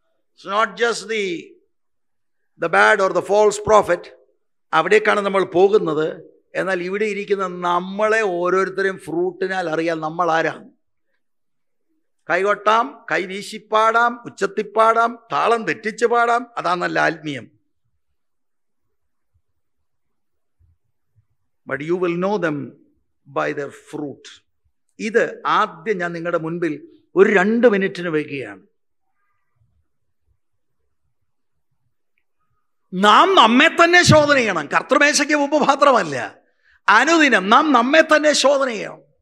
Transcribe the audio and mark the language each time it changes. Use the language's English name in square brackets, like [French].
[English] it's not just the bad or the false prophet, [Malayalam] അവിടേക്കാണ് നമ്മൾ പോകുന്നത്. എന്നാൽ ഇവിടെ ഇരിക്കുന്ന നമ്മളെ ഓരോരുത്തരെയും ഫ്രൂട്ടിനാൽ അറിയാൻ നമ്മൾ ആരാണ്? കൈകൊട്ടാം, കൈവീശിപ്പാടാം, ഉച്ചത്തിപ്പാടാം, താളം തെറ്റിച്ച് പാടാം, അതാണ് നല്ല ആത്മീയം. [English] But you will know them by their fruit. [Malayalam] ഇത് ആദ്യം ഞാൻ നിങ്ങളുടെ മുൻപിൽ ഒരു 2 മിനിറ്റിന് വയ്ക്കുകയാണ്. നാം നമ്മെ തന്നെ ശോധന ചെയ്യണം, കർത്തൃമേശയ്ക്ക് മുമ്പ് മാത്രമല്ല, അനുദിനം നാം നമ്മെ തന്നെ ശോധന ചെയ്യണം.